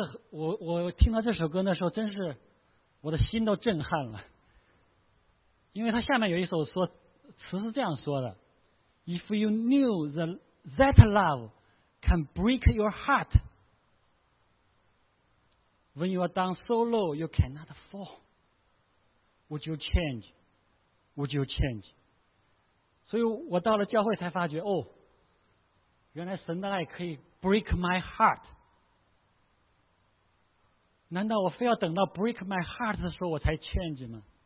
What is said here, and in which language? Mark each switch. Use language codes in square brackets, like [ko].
[zh] 我听到这首歌的时候，真是我的心都震撼了。因为它下面有一首说词是这样说的 ： [en] If you knew that love can break your heart。 When you are down so low, you cannot fall. Would you change? Would you change? [zh] 所以我到了教会才发觉，哦，原来神的爱可以 [en] break my heart. [zh] 难道我非要等到 [en] break my heart [zh] 的时候我才 change 吗？